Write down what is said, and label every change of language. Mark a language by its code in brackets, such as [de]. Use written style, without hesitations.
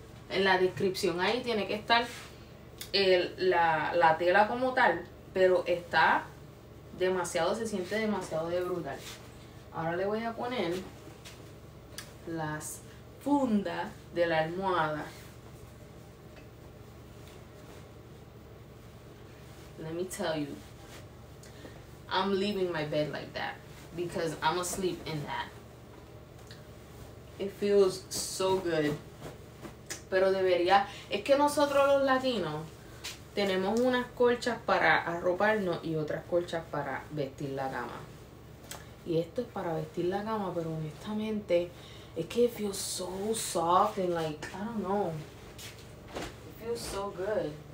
[es] En la descripción ahí tiene que estar la tela como tal, pero está demasiado, se siente demasiado de brutal. Ahora le voy a poner las fundas de la almohada. [en] Let me tell you, I'm leaving my bed like that because I'm asleep in that. It feels so good. [es] Pero debería, es que nosotros los latinos tenemos unas colchas para arroparnos y otras colchas para vestir la cama. Y esto es para vestir la cama, pero honestamente, es que [en] it feels so soft and like, I don't know. It feels so good.